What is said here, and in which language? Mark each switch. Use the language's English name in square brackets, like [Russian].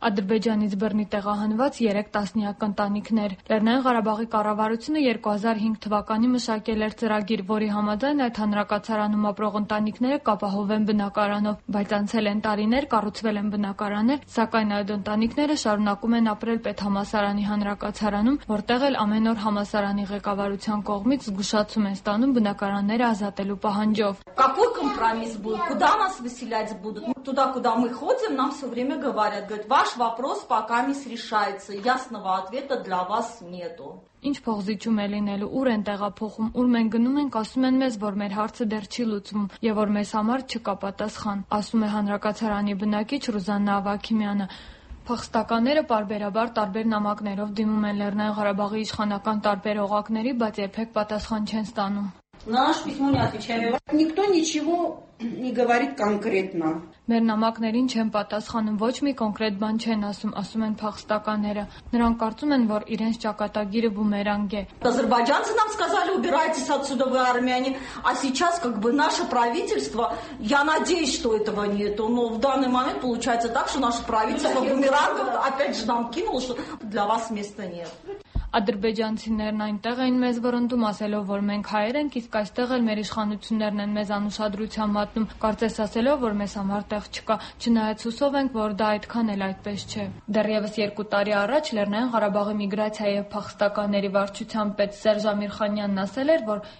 [Armenian] Ադրբեջանից բռնի տեղահանված 3 տասնյակ ընտանիքներ։ Լեռնային Ղարաբաղի կառավարությունը 2005 թվականին մշակել էր ծրագիր, որի համաձայն այդ հանրակացարանում ապրող ընտանիքները կապահովեն բնակարանով, բայց անցել են տարիներ, կառուցվել են բնակարաններ, սակայն այդ ընտանիքները շարունակում են ապրել պետհամասարանի հանրակացարանում, որտեղ էլ ամեն օր համասարանի ղեկավարության կողմից զգուշացում են ստանում բնակարանները ազատելու պահանջով։ [Russian] Какой компромисс будет? Куда нас выселять будут? Туда, куда мы ходим, нам всё время говорят, говорят: "Ваш вопрос пока не решается. Ясного ответа для вас нету". [Armenian] Ինչ փողզիչում է լինելու, ուր են տեղափոխում, ուր մենք գնում ենք, ասում են մեզ, որ մեր հարցը դեռ չի լուծվում եւ որ մեզ համար չկա պատասխան, ասում է հանրակացարանի բնակիչ Ռուզաննա Ավաքիմյանը։ Փախստականները պարբերաբար տարբեր նամակներով դիմում են Լեռնային Ղարաբաղի իշխանական տարբեր օղակների, բայց երբեք պատասխան չեն ստանում։ [Russian] Наш письмо не отвечает. Никто ничего не говорит конкретно. [Armenian] Մեր նամակներին չեն պատասխանում, ոչ մի կոնկրետ բան չեն ասում, ասում են փախստականները։ Նրանք կարծում են, որ իրենց ճակատագիրը բումերանգ է։ [Russian] Азербайджанцы нам сказали: "Убирайтесь отсюда, вы армяне". А сейчас как бы наше правительство, я надеюсь, что этого нету, но в данный момент получается так, что наше правительство бумеранг опять же нам кинуло, что для вас места нет. [Armenian] Ադրբեջանցիներն այնտեղ էին մեզ վրընտում, ասելով, որ մենք հայեր ենք, իսկ այստեղ էլ մեր իշխանություններն են մեզ անուշադրության մատնում, կարծես ասելով, որ մեզ համար տեղ չկա, չնայած հուսով ենք, որ դա այդքան էլ այդպես չէ։ Դեռևս 2 տարի առաջ Լեռնային Ղարաբաղի միգրացիա և փախստականների վարչության պետ Սերժ Ամիրխանյանն ասել էր, որ